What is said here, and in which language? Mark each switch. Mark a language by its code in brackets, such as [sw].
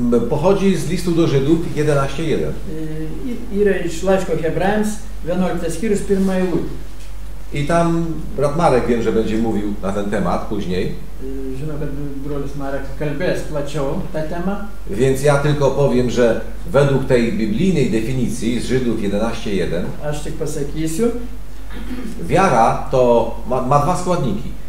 [pl] pochodzi z listu do Żydów 11:1. [lt] Yra iš laiško Hebrajams 11 skyrius 1 eilutė. [pl] I tam brat Marek, wiem, że będzie mówił na ten temat później. [lt] Że nawet brolis Marek kalbės plačiau tą temat. [pl] Więc ja tylko powiem, że według tej biblijnej definicji z Żydów 11:1. [lt] Aż tik pasakysiu. [pl] Wiara to ma dwa składniki.